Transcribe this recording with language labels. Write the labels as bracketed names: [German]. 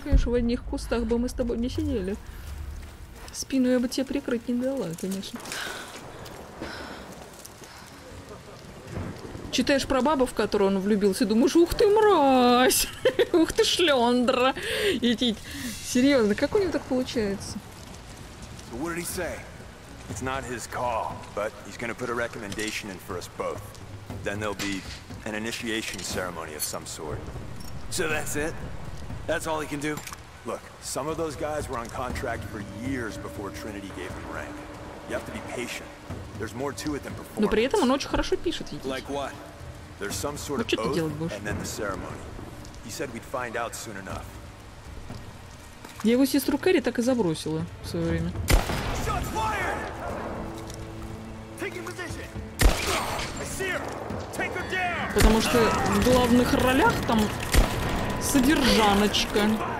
[Russian] Конечно, в одних кустах бы мы с тобой не сидели. Спину я бы тебе прикрыть не дала, конечно. Читаешь про бабу, в которую он влюбился, и думаешь, ух ты, мразь! Ух ты, шлёндра! Серьезно, как у него так получается? [English] So what did he say? It's not his call, but he's gonna put a recommendation in for us both. Then there'll be an initiation ceremony of some sort. So that's it? That's all he can do? Look, some of those guys were on contract for years before Trinity gave him rank. You have to be patient. There's more to it than performance. [Russian] Но при этом он очень хорошо пишет. [English] Like what? There's some sort of oath, and then the ceremony. He said we'd find out soon enough. [Russian] Я его сестру Кэрри так и забросила в свое время. [English] Shots fired! Taking position! I see her! Take her down! [Russian] Потому что в главных ролях там содержаночка.